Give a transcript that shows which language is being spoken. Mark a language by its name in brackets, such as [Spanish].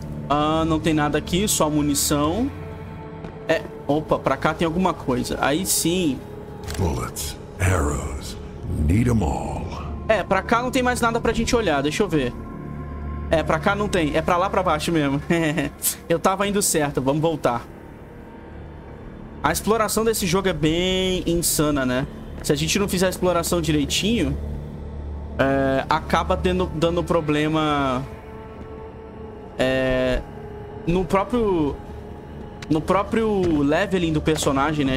[Portuguese] Ah, não tem nada aqui, só munição. É, opa, pra cá tem alguma coisa. Aí sim. [English] Bullets, arrows, need them all. [Portuguese] É, pra cá não tem mais nada pra gente olhar, deixa eu ver. É, pra cá não tem. É pra lá pra baixo mesmo. Eu tava indo certo. Vamos voltar. A exploração desse jogo é bem insana, né? Se a gente não fizer a exploração direitinho, acaba dando problema no próprio leveling do personagem, né?